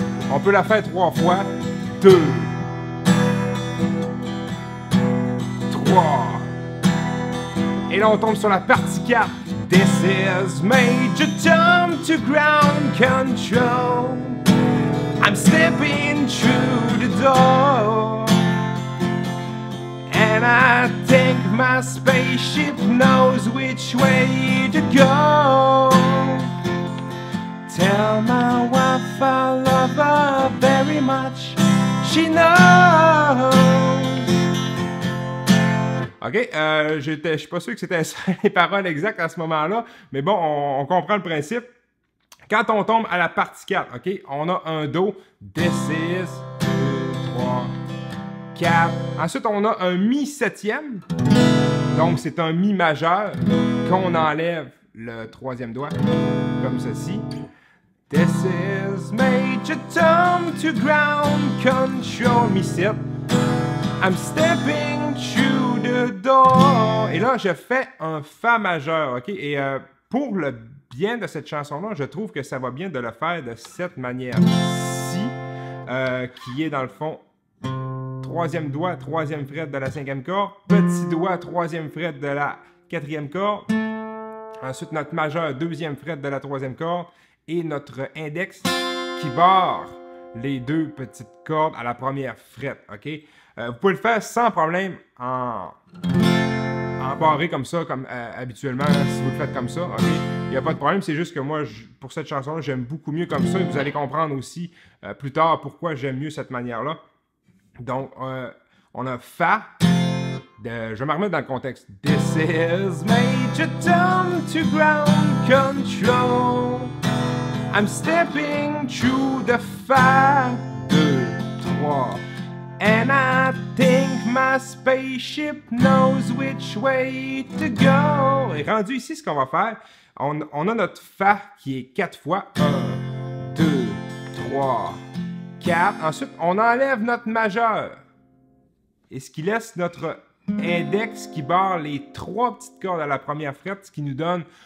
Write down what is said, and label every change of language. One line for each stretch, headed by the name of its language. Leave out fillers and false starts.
French: On peut la faire 3 fois. 2. 3. Et là, on tombe sur la partie 4.
English: This is major tone to ground control. I'm stepping through the door. And I think my spaceship knows which way to go. Tell my wife I love her very much. She knows.
French: OK, j'suis pas sûr que c'était ça, les paroles exactes à ce moment-là, mais bon, on comprend le principe. Quand on tombe à la partie 4, OK, on a un Do.
English: This is 2, 3.
French: Ensuite, on a un mi septième, donc c'est un mi majeur, qu'on enlève le troisième doigt, comme ceci.
English: This is major tone to ground control,
French: mi sept.
English: I'm stepping through the door.
French: Et là, je fais un fa majeur, OK? Et pour le bien de cette chanson-là, je trouve que ça va bien de le faire de cette manière-ci, qui est dans le fond... Troisième doigt, troisième fret de la cinquième corde. Petit doigt, troisième fret de la quatrième corde. Ensuite, notre majeur, deuxième fret de la troisième corde. Et notre index qui barre les deux petites cordes à la première fret. OK? Vous pouvez le faire sans problème en barré comme ça, comme habituellement, si vous le faites comme ça. OK? Il n'y a pas de problème, c'est juste que moi, pour cette chanson-là, j'aime beaucoup mieux comme ça. Et vous allez comprendre aussi plus tard pourquoi j'aime mieux cette manière-là. Donc, on a fa. Je vais me remettre dans le contexte.
English: This is major tone to ground control. I'm stepping through the fa. 2, 3. And I think my spaceship knows which way to go.
French: Et rendu ici, ce qu'on va faire, on a notre fa qui est 4 fois. 1, 2, 3. Ensuite, on enlève notre majeur. Et ce qui laisse notre index qui barre les 3 petites cordes à la première frette, ce qui nous donne